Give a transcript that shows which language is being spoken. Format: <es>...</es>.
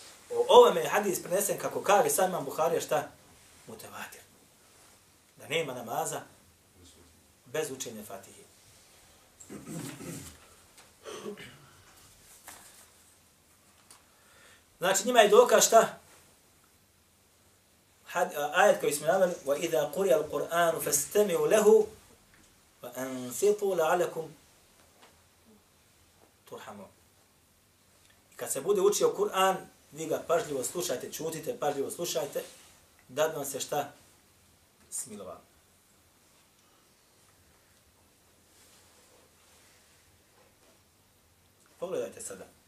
<bs>O ovome je hadis prenesen, kako kaže sam imam Buharija, šta? Mutavatir. Da nema namaza bez učenja Fatihe. Znači njima je dokaz šta? Ajet koji smo naveli,</bs> <ar>وَإِذَا قُرِيَ الْقُرْآنُ فَاسْتَمِعُوا لَهُ وَأَنْصِتُوا لَعَلَكُمْ تُرْحَمُونَ.</ar> <bs>Kad se bude učio Kur'an, vi ga pažljivo slušajte, čutite, pažljivo slušajte, da bi vam se šta smilovalo. Pogledajte sada.</bs>